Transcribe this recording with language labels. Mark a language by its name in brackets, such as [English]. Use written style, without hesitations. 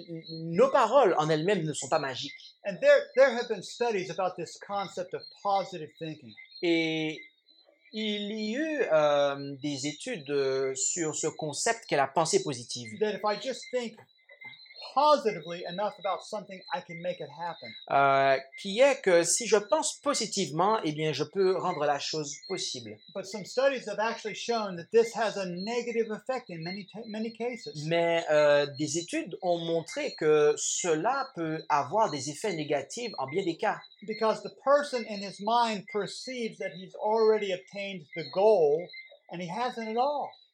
[French] Nos paroles en elles-mêmes ne sont pas magiques. [English] And there have been studies about this concept of positive thinking. [French] Et il y a eu des études sur ce concept qu'est la pensée positive. [English] That if I just think positively enough about something, I can make it happen. [French] Qui est que si je pense positivement, eh bien, je peux rendre la chose possible. [English] But some studies have actually shown that this has a negative effect in many cases. [French] Mais des études ont montré que cela peut avoir des effets négatifs en bien des cas. [English] Because the person in his mind perceives that he's already obtained the goal and he hasn't at all.